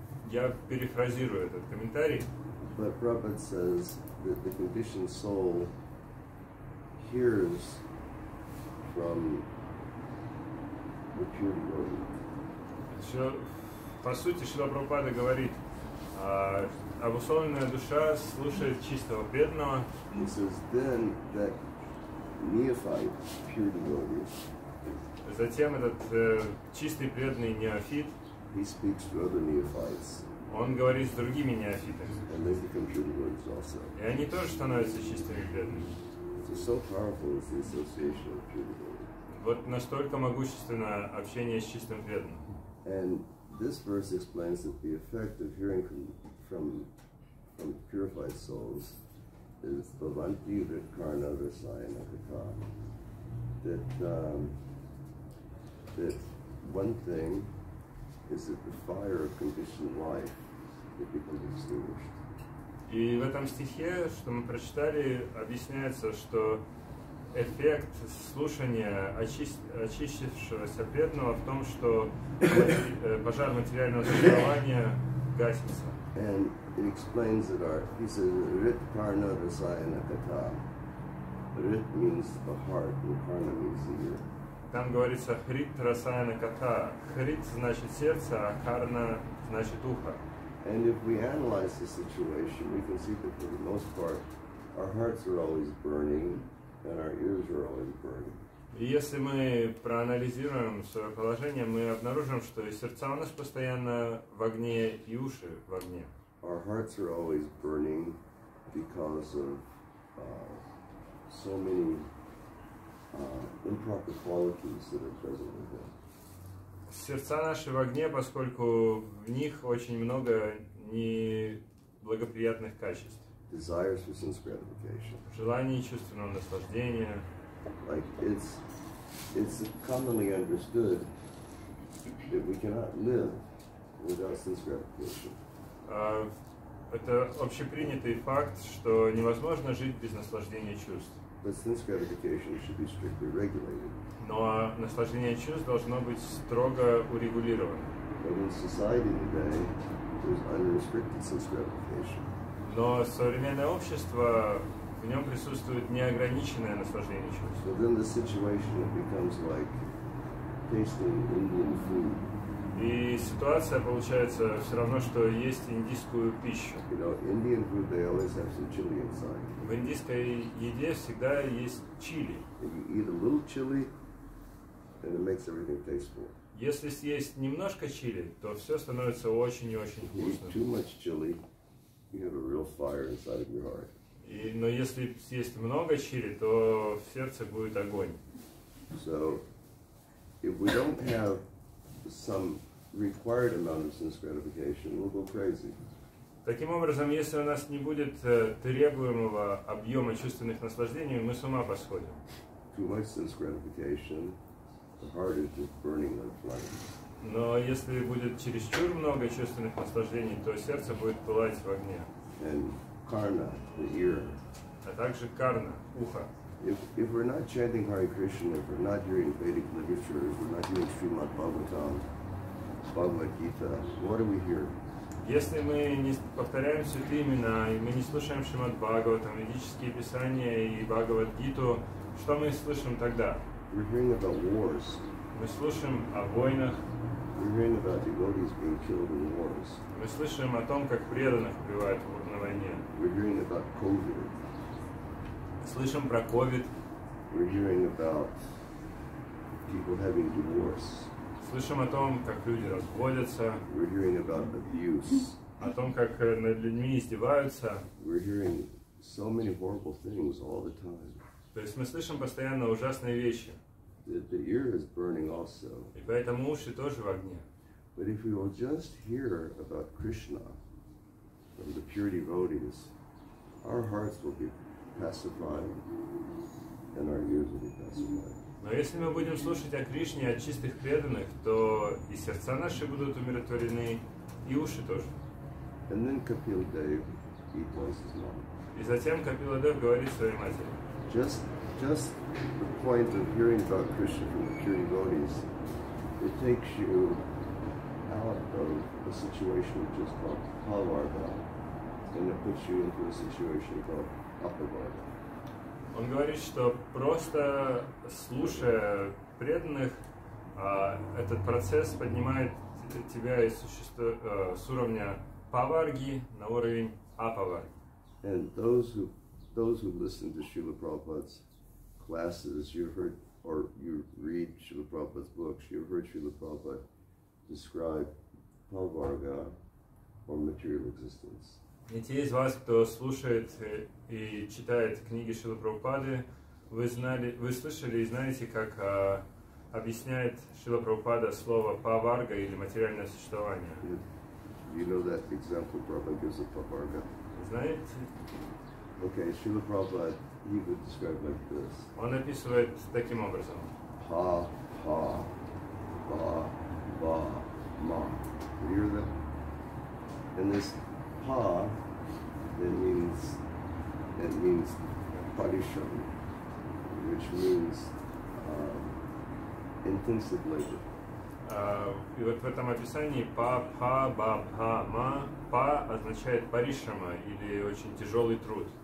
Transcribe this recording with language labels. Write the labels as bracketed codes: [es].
[ru] Я перефразирую этот комментарий. [en] But Prabhupada says that the conditioned soul hears from the pure devotee. [ru] По сути, Шрила Прабхупада говорит, обусловленная душа слушает чистого преданного. [en] He says, then that neophyte pure devotee. [ru] Затем этот чистый преданный неофит, [en] he speaks to other neophytes. [ru] Он говорит с другими неофитами. И они тоже становятся чистыми преданными. [en] So powerful is the association of pure devotees. [ru] Вот настолько могущественно общение с чистым преданным. [en] And this verse explains that the effect of hearing from purified souls is bhavanti vidkarna rasayana kata. That one thing is that the fire of conditioned life it becomes extinguished. [ru] И в этом стихе, что мы прочитали, объясняется, что эффект слушания очистившегося преданного в том, что пожар материального существования гасится. [en] And it explains that our he says rit karna rasayana kata. Rit means the heart, and karna means the ear. [ru] Там говорится хрит расаяна ката. Хрит значит сердце, а карна значит ухо. [en] And if we analyze the situation, we can see that for the most part, our hearts are always burning and our ears are always burning. [ru] И если мы проанализируем свое положение, мы обнаружим, что и сердца у нас постоянно в огне, и уши в огне. [en] Our hearts are always burning because of so many improper qualities that are present in them. [ru] сердца наши в огне, поскольку в них очень много неблагоприятных качеств. [en] Desires for sense gratification. [ru] Желание чувственного наслаждения. [en] Like it's commonly understood that we cannot live without sense gratification. [ru] Это общепринятый факт, что невозможно жить без наслаждения чувств. [en] But sense gratification should be strictly regulated. [ru] Но наслаждение чувств должно быть строго урегулировано. [en] But in society today, there's unrestricted sense gratification. [ru] Но современное общество, в нем присутствует неограниченное наслаждение чувств. [en] So then the situation becomes like tasting Indian food. [ru] И ситуация получается все равно, что есть индийскую пищу. [en] You know, Indian food, they always have some chili inside. [ru] В индийской еде всегда есть чили. [en] If you eat a little chili, then it makes everything tasteful. [ru] Если съесть немножко чили, то все становится очень и очень вкусным. [en] If you eat too much chili, you have a real fire inside of your heart. [ru] Но если съесть много чили, то в сердце будет огонь. [en] So, if we don't have some required amount of sense gratification, we'll go crazy. [ru] Таким образом, если у нас не будет требуемого объема чувственных наслаждений, мы с ума посходим. [en] Too much sense gratification, the heart is just burning like flame. [ru] Но если будет чересчур много чувственных наслаждений, то сердце будет пылать в огне. [en] And karna, the ear. [ru] А также карна, ухо. [en] If we're not chanting Hare Krishna, if we're not hearing Vedic literature, if we're not hearing Srimad Bhagavatam, Bhagavad Gita, what do we hear? [ru] Если мы не повторяем святые имена, и мы не слушаем Шримад Бхагаватам, ведические писания и Бхагавад Гиту, что мы слышим тогда? [en] We're hearing about wars. [ru] Мы слышим о войнах. [en] We're hearing about devotees being killed in wars. [ru] Мы слышим о том, как преданных убивают на войне. [en] We're hearing about COVID. [ru] Слышим про COVID. [en] We're hearing about people having divorce. [ru] Слышим о том, как люди разводятся. [en] We're hearing about abuse. [ru] О том, как над людьми издеваются. [en] We're hearing so many horrible things all the time. [ru] То есть мы слышим постоянно ужасные вещи. [en] The ear is burning also. [ru] И поэтому уши тоже в огне. [en] But if we will just hear about Krishna from the pure devotees, our hearts will be pacified and our ears will be pacified. [ru] Но если мы будем слушать о Кришне от чистых преданных, то и сердца наши будут умиротворены, и уши тоже. [en] And then Kapila Dev, he tells his mom. [ru] И затем Kapila Dev говорит своей матери. [en] Just the point of hearing about Krishna from the pure devotees, it takes you out of a situation which is called Palvarga, and it puts you into a situation called Apavarga. [ru] Он говорит, что просто слушая преданных, этот процесс поднимает тебя из существа, с уровня Паварги на уровень Апаварги. [en] And those who listen to Srila Prabhupada's classes, you've heard, or you read Srila Prabhupada's books, you've heard Srila Prabhupada describe Palvarga or material existence. [ru] И те из вас, кто слушает и читает книги Шрилы Прабхупады, вы слышали и знаете, как объясняет Шрила Прабхупада слово «паварга» или «материальное существование». [en] You know that example Prabhupada gives of паварга? [ru] Знаете? [en] Okay, Шрила Прабхупада, he would describe like this. [ru] Он описывает таким образом. Ha, ha, ba, ba, ma. [en] You hear that? And this ha, that means parishram, which means intensive labor. [ru] И вот в этом описании па, па, ба, па, ма, па означает паришрама или очень тяжелый труд.